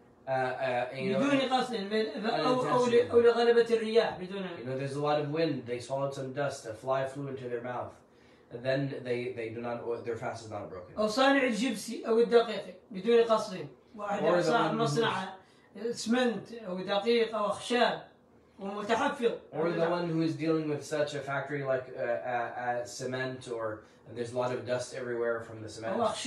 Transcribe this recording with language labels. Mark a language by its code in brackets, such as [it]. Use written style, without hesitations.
[ar] بدون قصد أو لغلبة الرياح بدون. [en] You know, there's a lot of wind. They swallowed some dust. A fly flew into their mouth. And then they do not, their fast is not broken. [ar] أو صانع الجبس أو الدقيق بدون قصد. واحد صاحب مصنع اسمنت أو دقيق أو خشب ومتحفظ. [en] Or the one who is dealing with such a factory like cement or and there's a lot of dust everywhere from the cement.